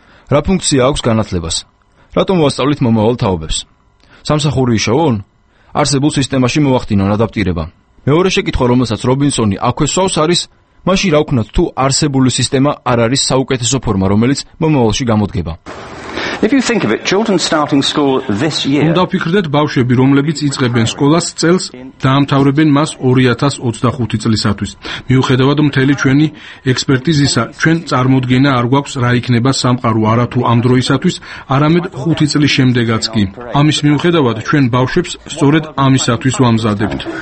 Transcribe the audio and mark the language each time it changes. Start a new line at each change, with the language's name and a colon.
Georgian: რა ფუნქცია აქვს განათლებას? რატომ ვასწავლით მომავალ თაობებს? სამსახური ისაუონ? არსებულ სისტემაში მოახდინონ ადაპტირება. მეორე შეკითხვა, რომელსაც რობინსონი აქვე სვავს, არის: მაში რა ვქნათ, თუ არსებული სისტემა არ არის საუკეთესო ფორმა, რომელიც მომავალში გამოდგება?
English: If you think of it, children starting school this year.
Georgian: უნდა ფიქრდეთ ბავშვები, რომლებიც იწყებენ სკოლას წელს, დაამთავრებენ მას 2025 წლისათვის. მიუხედავად მთელი ჩვენი ექსპერტიზისა, ჩვენ წარმოდგენა არ გვაქვს რა იქნება სამყარო არათუ ამ დროისათვის, არამედ 5 წლის შემდეგაც კი. ამის მიუხედავად ჩვენ ბავშვებს სწორედ ამისათვის ვამზადებთ.